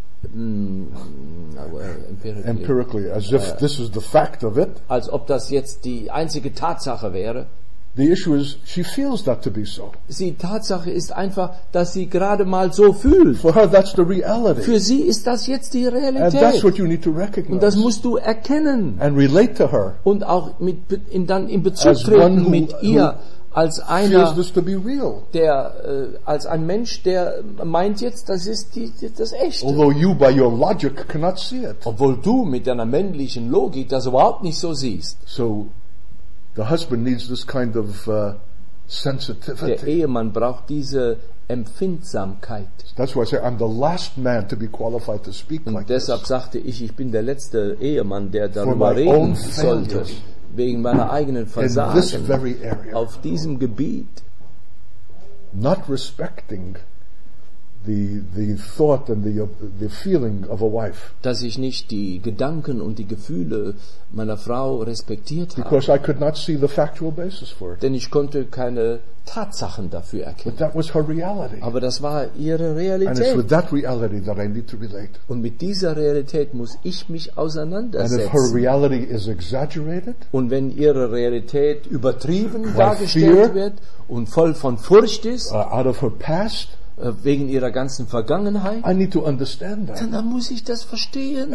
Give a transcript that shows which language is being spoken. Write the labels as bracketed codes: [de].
[en] empirically, as if this is the fact of it. [de] Als ob das jetzt die einzige Tatsache wäre. [en] The issue is, she feels that to be so. [de] Die Tatsache ist einfach, dass sie gerade mal so fühlt. [en] For her, that's the reality. [de] Für sie ist das jetzt die Realität. [en] And that's what you need to recognize. [de] Und das musst du erkennen. [en] And relate to her. [de] Und auch mit, dann in Bezug treten mit ihr als einer, [en] feels this to be real. [de] Der als ein Mensch, der meint jetzt, das ist das Echte. [en] Although you by your logic cannot see it. [de] Obwohl du mit deiner männlichen Logik das überhaupt nicht so siehst. [en] So. The husband needs this kind of sensitivity. [de] Der Ehemann braucht diese Empfindsamkeit. [en] That's why I say I'm the last man to be qualified to speak [de] und [en] like [de] deshalb [en] this. [de] Sagte ich, ich bin der letzte Ehemann, der darüber reden sollte, wegen meiner eigenen Versagen auf diesem Gebiet. [en] Not respecting the thought and the feeling of a wife. [de] Dass ich nicht die Gedanken und die Gefühle meiner Frau respektiert habe. [en] Because I could not see the factual basis for it. [de] Denn ich konnte keine Tatsachen dafür erkennen. [en] But that was her reality. [de] Aber das war ihre Realität. [en] And it's with that reality that I need to relate. [de] Und mit dieser Realität muss ich mich auseinandersetzen. [en] And if her reality is exaggerated, [de] und wenn ihre Realität übertrieben dargestellt wird und voll von Furcht ist, [en] out of her past, [de] wegen ihrer ganzen Vergangenheit, [en] I need to understand that. [de] Dann muss ich das verstehen.